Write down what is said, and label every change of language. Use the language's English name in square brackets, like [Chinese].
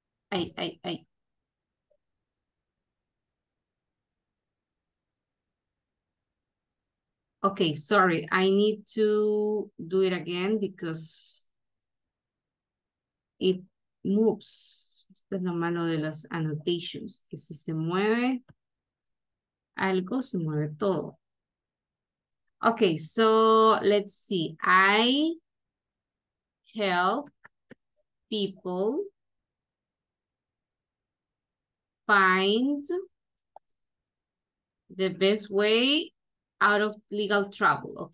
[English] Ay, ay, ay. Okay, sorry. I need to do it again because it moves. [Spanish] Esto es lo malo de las annotations, que si se mueve algo, se mueve todo. [English] Okay, so let's see. I help people find the best way out of legal trouble.